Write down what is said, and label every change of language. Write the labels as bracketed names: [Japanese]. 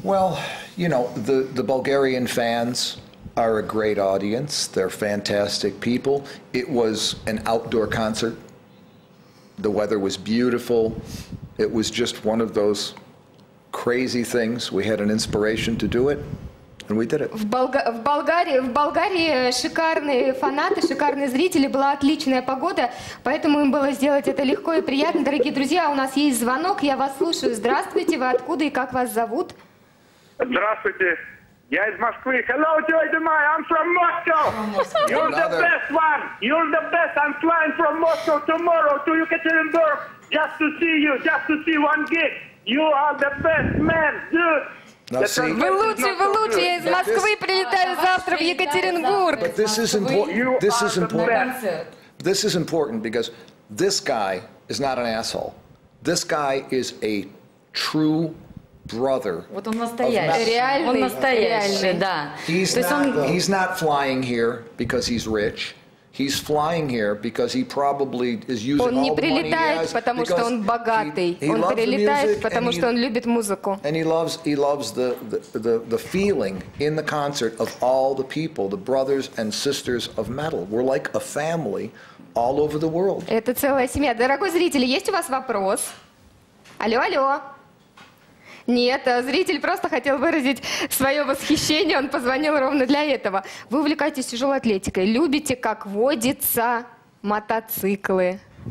[English] Well, you know, the Bulgarian fans are a great audience. They're fantastic people. It was an outdoor concert. The weather was beautiful. It was just one of those crazy things. We had an inspiration to do it, and we did it. [Russian] В Болгарии шикарные фанаты, шикарные зрители, была отличная погода, поэтому им было сделать это легко и приятно. Дорогие друзья, у нас есть звонок, я вас слушаю. Здравствуйте, вы откуда и как вас зовут? Здравствуйте. Я из Москвы. Hello, Джуди Майя. [English] I'm from Moscow. You're the best one. You're the best. I'm flying from Moscow tomorrow to Yekaterinburg just to see you, just to see one gig. You are the best man, dude. [Russian] Вы лучше. Я из Москвы прилетаю завтра в Екатеринбург. [English] But this is important. This is important. This is important because this guy is not an asshole. This guy is a true brother. [Russian] Вот он настоящий. Реальный. Он настоящий, да. [English] He's not flying here because he's rich. He's flying here because he probably is using all the money he has. [Russian] Он не прилетает, потому что он богатый. Он прилетает, потому что он любит музыку. [English] And he loves the feeling in the concert of all the people, the brothers and sisters of metal. We're like a family all over the world. [Russian] Это целая семья. Дорогой зритель, есть у вас вопрос? Алло, алло. Нет, зритель просто хотел выразить свое восхищение, он позвонил ровно для этого. Вы увлекаетесь тяжелой атлетикой, любите, как водится, мотоциклы.